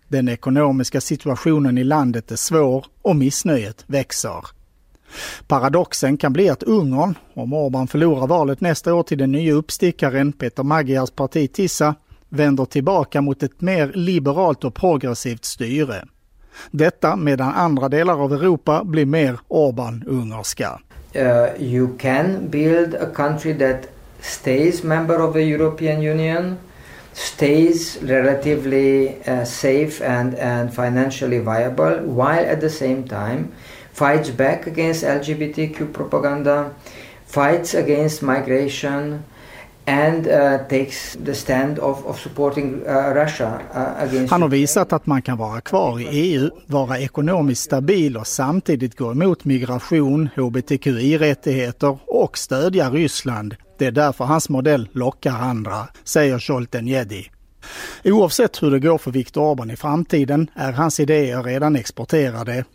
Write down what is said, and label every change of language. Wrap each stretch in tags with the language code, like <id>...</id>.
<sv>Den ekonomiska situationen i landet är svår och missnöjet växer. Paradoxen kan bli att Ungern, om Orbán förlorar valet nästa år till den nya uppstickaren Peter Magyars parti Tisza, vänder tillbaka mot ett mer liberalt och progressivt styre. Detta medan andra delar av Europa blir mer Orbán-ungerska.</sv> <en>You can build a country that stays member of the European Union, stays relatively safe and financially viable, while at the same time fights back against LGBTQ propaganda, fights against migration, and takes the stand of supporting Russia against.</en> <sv>Han har visat att man kan vara kvar i EU, vara ekonomiskt stabil och samtidigt gå emot migration, HBTQI-rättigheter och stödja Ryssland. Det är därför hans modell lockar andra, säger Jolt Enjedi. Oavsett hur det går för Viktor Orbán i framtiden är hans idéer redan exporterade.</sv>